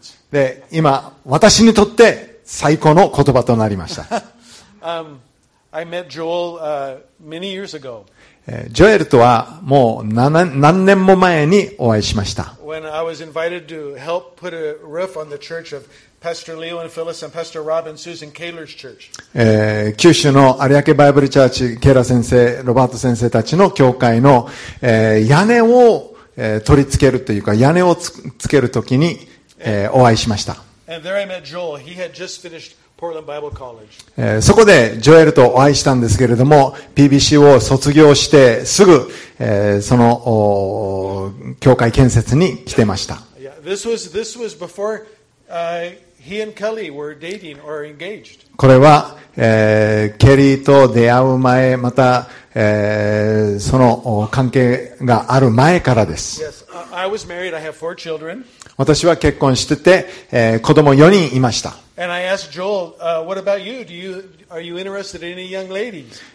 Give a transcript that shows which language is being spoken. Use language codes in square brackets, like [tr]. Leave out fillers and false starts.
[ja] で、今、私にとって最高の言葉となりました。 [en] I met Joel, many years ago. [ja] ジョエルとはもう何年も前にお会いしました。 [en] When I was invited to help put a roof on the church of Pastor Leo and Phyllis and Pastor Rob and Susan Kaler's church. [ja] 九州の有明バイブルチャーチ、ケイラ先生、ロバート先生たちの教会の、屋根を、取り付けるというか、屋根をつけるときに、お会いしました。 [en] And there I met Joel. He had just finished Portland Bible College. [ja] そこでジョエルとお会いしたんですけれども、PBC を卒業してすぐ、その、教会建設に来てました。 [en] Yeah, this was before he and Kelly were dating or engaged. [ja] これは、ケリーと出会う前、また、その関係がある前からです。 [en] Yes, I was married. I have four children. [ja] 私は結婚してて、子供4人いました。 [en] And I asked Joel, what about you? Are you interested in any young ladies?